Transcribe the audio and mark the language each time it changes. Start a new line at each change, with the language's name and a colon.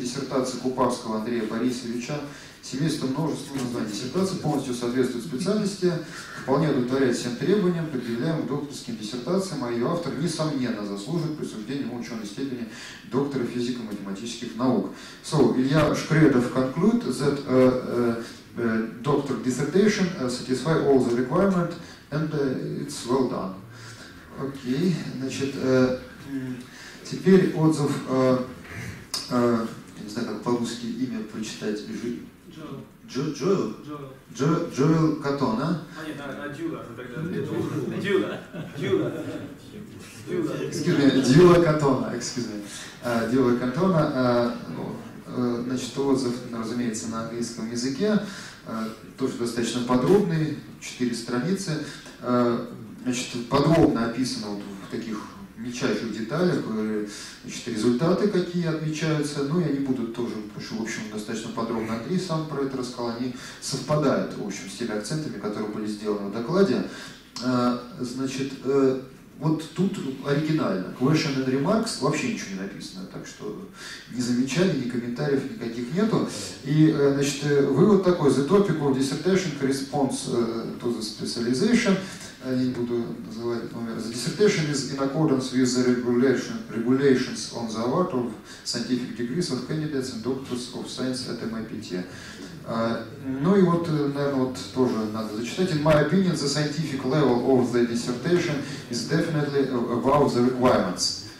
Russian: Диссертация Купавского Андрея Борисовича, семейство множества, название диссертации, полностью соответствует специальности, вполне удовлетворяет всем требованиям, предъявляемым докторским диссертациям, а ее автор, несомненно, заслужит присуждения ученой степени доктора физико-математических наук.
English: So, Илья Шкредов conclude that doctor dissertation satisfy all the requirement and it's well done.
Russian: Окей, значит, теперь отзыв, я не знаю, как по-русски имя прочитать, Джоэл Катона. А нет, Дюла, тогда Дюла Катона, значит, отзыв, разумеется, на английском языке, тоже достаточно подробный, 4 страницы, значит, подробно описано вот в таких мельчайших деталях, значит, результаты какие отмечаются, но они будут тоже, в общем, достаточно подробно Андрей сам про это рассказал, они совпадают, в общем, с теми акцентами, которые были сделаны в докладе. Значит, Вот тут оригинально.
English: Question and remarks
Russian: вообще ничего не написано. Так что ни замечаний, ни комментариев никаких нету. И, значит, вывод такой.
English: The topic of dissertation corresponds to the specialization.
Russian: Я не буду называть номер.
English: The dissertation is in accordance with the regulations on the award of scientific degrees of candidates and doctors of science at MIPT.
Russian: Ну и вот, наверное, вот тоже надо зачитать.
English: In my opinion, the scientific level of the dissertation is definitely above the requirements.